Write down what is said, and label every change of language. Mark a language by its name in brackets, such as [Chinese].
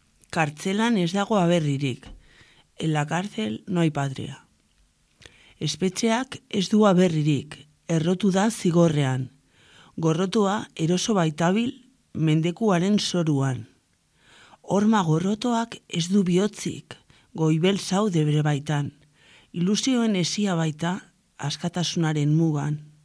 [Basque] Kartzelan ez dago aberririk. [Spanish] En la cárcel no hay patria. [Basque] Espetxeak ez du aberririk, errotu da zigorrean. Gorrotua eroso baitabil, mendekuaren soruan. Horma gorrotoak ez du bihotzik, goibel zau debre baitan. Ilusioen esia baita, askatasunaren mugan.